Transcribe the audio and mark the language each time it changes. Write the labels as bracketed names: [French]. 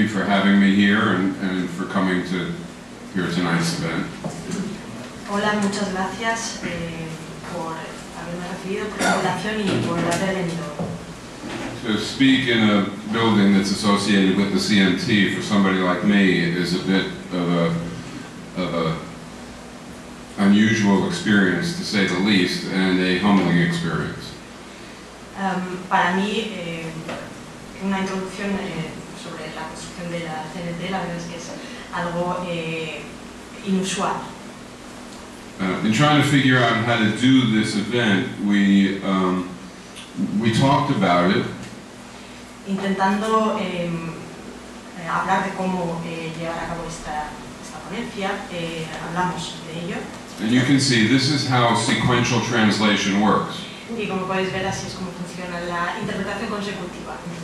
[English] you for having me here and for coming to hear tonight's event. [Spanish] Hola, muchas gracias por haberme recibido por la invitación y por haber venido. [English] To speak in a building that's associated with the CMT for somebody like me is a bit of a unusual experience, to say the least, and a humbling experience. [Spanish] Para mí, una introducción sobre la construcción de la CNT, la verdad es que es algo inusual. [English] In trying to figure out how to do this event, we talked about it. [Spanish] Intentando hablar de cómo llevar a cabo esta ponencia, hablamos de ello. [English] And you can see this is how sequential translation works. [Spanish] Y como podéis ver, así es como funciona la interpretación consecutiva.